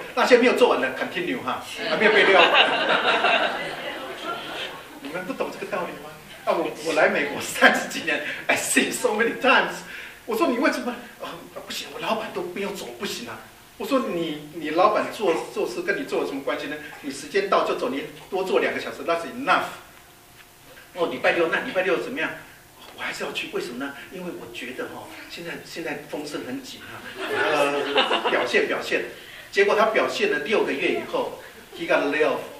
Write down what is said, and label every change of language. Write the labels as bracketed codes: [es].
[zh] 那些没有做完的 [en] continue [zh] 哈，还没有被 [en] lay off。 [zh] 你们不懂这个道理吗？我来美国三十几年， [en] I see so many times。 [zh] 我说你为什么不行，我老板都没有走，不行啊。我说你老板做事跟你做有什么关系呢？你时间到就走，你多做两个小时 [en] that's enough。 [zh] 哦，礼拜六，那礼拜六怎么样？我还是要去，为什么呢？因为我觉得哈，现在风声很紧啊，表现，结果他表现了六个月以后 ， [en] he got lay off。